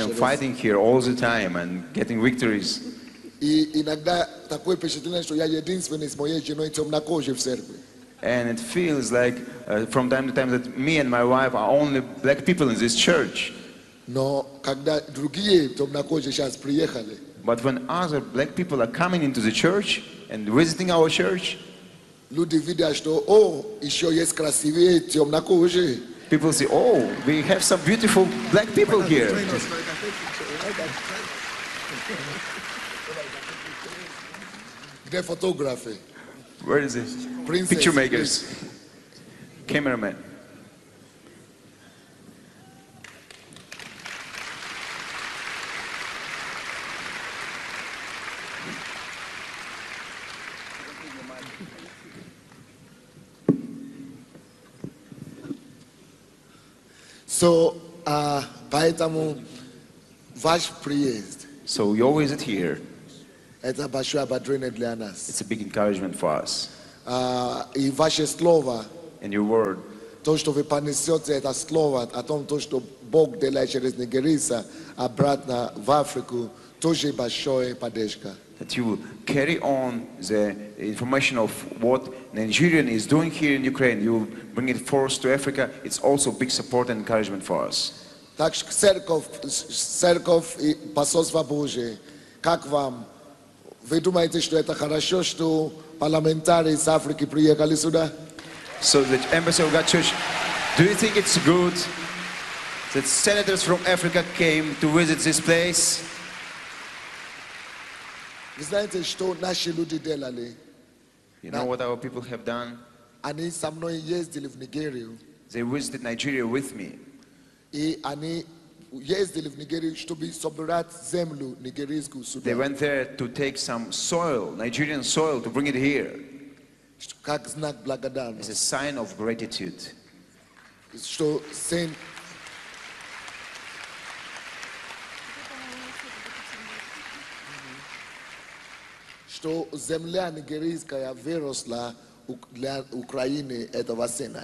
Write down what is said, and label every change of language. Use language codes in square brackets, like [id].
[en] am fighting here all the time and getting victories. And it feels like from time to time that me and my wife are only black people in this church. [ru] Но когда другие темнокожие сейчас приехали, [en] but when other black people are coming into the church and visiting our church, [ru] люди видят, что о, еще есть красивые темнокожие. [en] People say, oh, we have some beautiful black people here. The photography. Where is it? Princess. Picture makers. Cameraman. [ru] So, поэтому ваш приезд. [en] So you always are here. [ru] Это большое ободрение для нас. [en] It's a big encouragement for us. [ru] И ваше слово. [en] And your word. [ru] То, что вы понесете это слово о том, то, что Бог делает через нигерийца обратно в Африку, тоже большое поддержка. [en] That you will carry on the information of what Nigerian is doing here in Ukraine, you will bring it forth to Africa, it's also big support and encouragement for us. [ru] Так что церковь и посольство Божие, как вам? Вы думаете, что это хорошо, что парламентарии из Африки приехали сюда? [en] So the embassy of God Church, do you think it's good that senators from Africa came to visit this place? [ru] Вы знаете, что наши люди делали? [en] You know what our people have done? [ru] Они со мной ездили в Нигерию. [en] They visited Nigeria with me. [ru] И они ездили в Нигерию, чтобы собрать землю нигерийскую сюда. [en] They went there to take some soil, Nigerian soil, to bring it here. [ru] Как знак благодарности. [en] It's a sign of gratitude. [ru] Что сын... что земля нигерийская выросла для Украины этого сына.